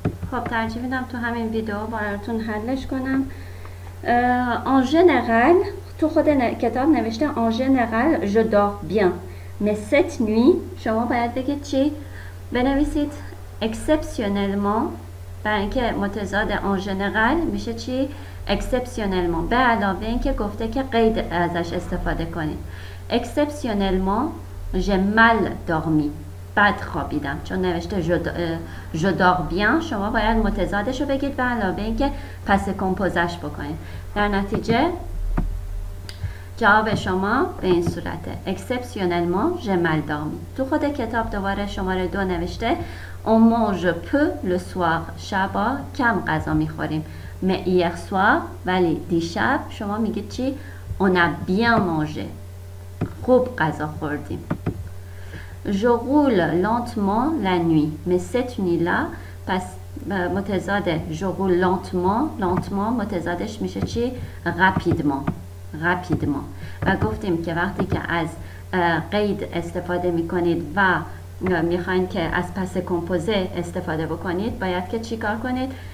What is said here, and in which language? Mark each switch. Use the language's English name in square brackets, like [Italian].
[Persian] خب ترجیح میدم تو همین ویدیو براتون حلش کنم. [French] en général تو خود کتاب نوشته en général je dors bien mais cette nuit، [Persian] شما باید بگید چی؟ بنویسید exceptionnellement، برای اینکه متضاد en général میشه چی؟ exceptionnellement. به علاوه این که گفته که قید ازش استفاده کنید. [French] exceptionnellement j'ai mal dormi، [Persian] بد خوابیدم. چون نوشته je dors bien، شما باید متضادش رو بگید به علاوه این که پس کمپوزش بکنید. در نتیجه جواب شما به این صورته: [French] exceptionnellement j'ai mal dormi. [Persian] تو خود کتاب دوباره شماره دو نوشته [French] on mange peu le soir، [Persian] شبا کم غذا میخوریم. [French] Mais hier soir، [Persian] ولی دیشب شما میگه چی؟ [French] on a bien mangé، [Persian] خوب غذا خوردیم. [French] Je roule lentement la nuit mais cette nuit là، [Persian] پس متضاد [French] je roule lentement، lentement [Persian] متضادش میشه چی؟ [French] rapidement، rapidement. [Persian] و گفتیم که وقتی که از قید استفاده میکنید و میخواین که از پس کمپوزه استفاده بکنید، باید که چی کار کنید؟